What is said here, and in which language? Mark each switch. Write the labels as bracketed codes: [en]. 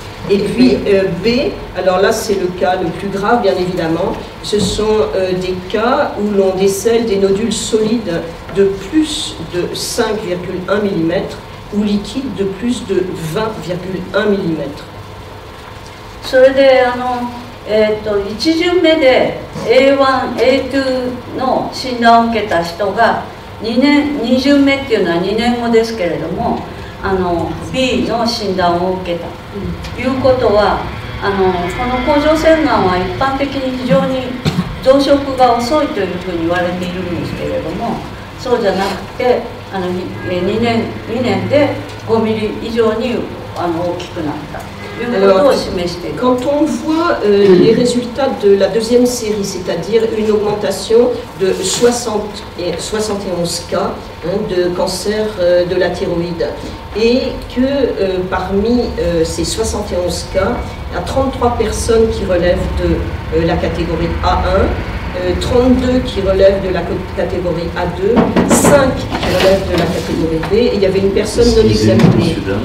[fr] Et puis B, alors là c'est le cas le plus grave bien évidemment, ce sont des cas où l'on décèle des nodules solides de plus de 5,1 mm ou liquides de plus de 20,1 mm. [ja] それで1巡目で A1、A2 の診断を受けた人が2巡目っていうのは2年後ですけれどもB の診断を受けたということはこの甲状腺がんは一般的に非常に増殖が遅いというふうに言われているんですけれどもそうじゃなくて2年で5ミリ以上に大きくなった。 [fr] Alors, quand on voit les résultats de la deuxième série, c'est-à-dire une augmentation de 71 cas de cancer de la thyroïde, et que parmi ces 71 cas, il y a 33 personnes qui relèvent de la catégorie A1, 32 qui relèvent de la catégorie A2, 5 qui relèvent de la catégorie B, et il y avait une personne non examinée.